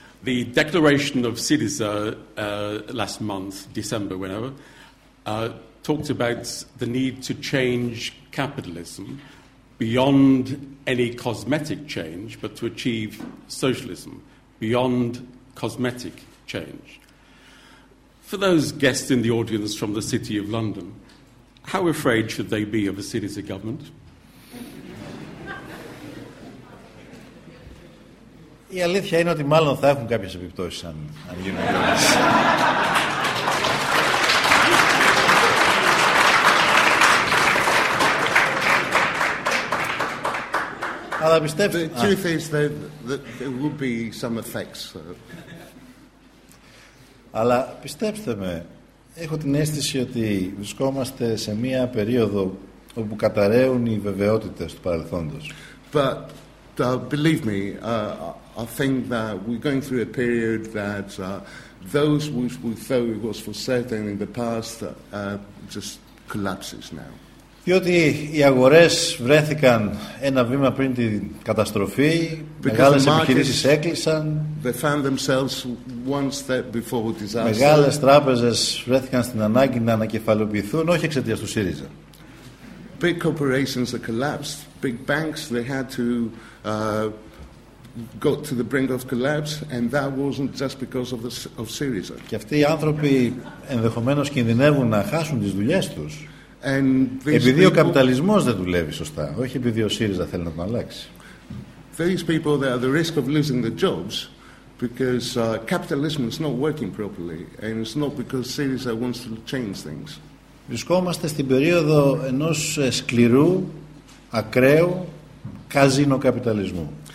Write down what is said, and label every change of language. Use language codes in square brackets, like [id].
[en] The declaration of Syriza last month, December, whenever, talked about the need to change capitalism beyond any cosmetic change, but to achieve socialism beyond cosmetic change. For those guests in the audience from the City of London, how afraid should they be of a Syriza government? [el] Η αλήθεια είναι ότι μάλλον θα έχουν κάποιες επιπτώσεις αν γίνουν κιόλας. Αλλά πιστεύω... [en] The truth is that there will be some effects. [el] Αλλά πιστέψτε με, έχω την αίσθηση ότι βρισκόμαστε σε μία περίοδο όπου καταραίουν οι βεβαιότητες του παρελθόντος. [en] But believe me, I think that we're going through a period that those which we thought it was for certain in the past just collapses now. [el] Διότι οι αγορές βρέθηκαν ένα βήμα πριν την καταστροφή, μεγάλες επιχειρήσεις έκλεισαν. [en] They found themselves one step before disaster. [el] Μεγάλες τράπεζες βρέθηκαν στην ανάγκη να ανακεφαλοποιηθούν, όχι εξαιτίας του ΣΥΡΙΖΑ. [en] Big corporations have collapsed. Big banks, they had to got to the brink of collapse, and that wasn't just because of Syriza. [el] Και αυτοί οι άνθρωποι ενδεχομένως κινδυνεύουν να χάσουν τις δουλειές τους. Επειδή ο καπιταλισμός δεν δουλεύει σωστά, όχι επειδή ο ΣΥΡΙΖΑ θέλει να τον αλλάξει. [en] These people, they are the risk of losing their jobs because capitalism is not working properly, and it's not because Syriza wants to change things. [el] Βρισκόμαστε στην περίοδο ενός σκληρού, ακραίου καζινοκαπιταλισμού.